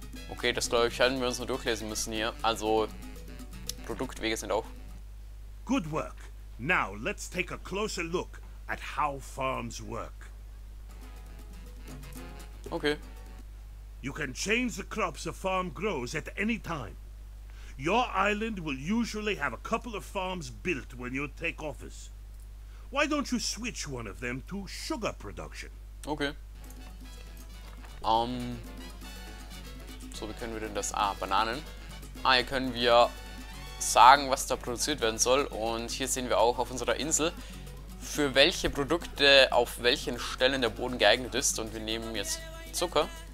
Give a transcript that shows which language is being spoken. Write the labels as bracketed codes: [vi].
[de] Okay, das glaube ich, hätten wir uns nur durchlesen müssen hier. Also, Produktwege sind auch. [en] Good work. Now let's take a closer look at how farms work. Okay. You can change the crops a farm grows at any time. Your island will usually have a couple of farms built when you take office. Why don't you switch one of them to sugar production? Okay. [de] So, wie können wir denn das? Ah, Bananen. Ah, hier können wir sagen, was da produziert werden soll. Und hier sehen wir auch auf unserer Insel, für welche Produkte auf welchen Stellen der Boden geeignet ist. Und wir nehmen jetzt Zucker.